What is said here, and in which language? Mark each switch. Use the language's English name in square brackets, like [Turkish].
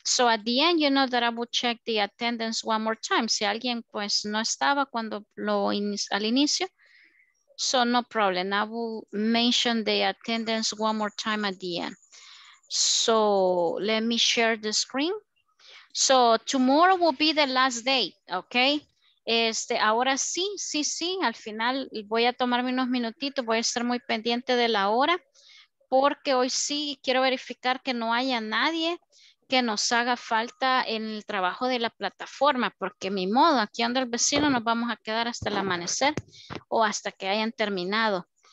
[English] So at the end, you know that I will check the attendance one more time. [Spanish] Si alguien pues no estaba cuando lo al inicio. [English] So no problem. I will mention the attendance one more time at the end. So let me share the screen. So tomorrow will be the last day, okay? [Spanish] Este, ahora sí, sí, sí, al final voy a tomarme unos minutitos, voy a estar muy pendiente de la hora, porque hoy sí quiero verificar que no haya nadie que nos haga falta en el trabajo de la plataforma, porque ni modo, aquí donde el vecino nos vamos a quedar hasta el amanecer o hasta que hayan terminado.